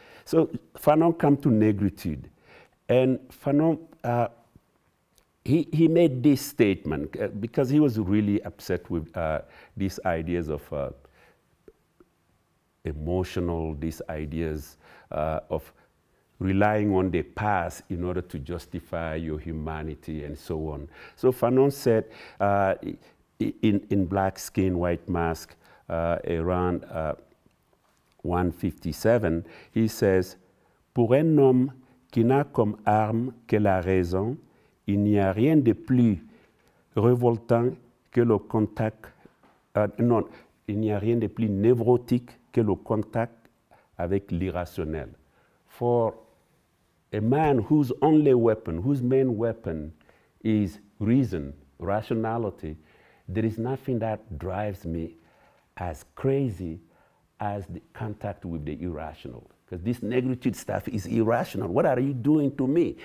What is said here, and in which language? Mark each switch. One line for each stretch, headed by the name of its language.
English: So Fanon come to negritude, and Fanon, he made this statement because he was really upset with these ideas of emotional, these ideas of relying on the past in order to justify your humanity and so on. So Fanon said, in Black Skin, White Mask, around 157, he says,
French: pour un homme qui n'a comme arme que la raison, il n'y a rien de plus révoltant que le contact, il n'y a rien de plus névrotique que le contact avec l'irrationnel.
English: For a man whose only weapon, whose main weapon is reason, rationality, there is nothing that drives me as crazy as the contact with the irrational. Because this negritude stuff is irrational. What are you doing to me?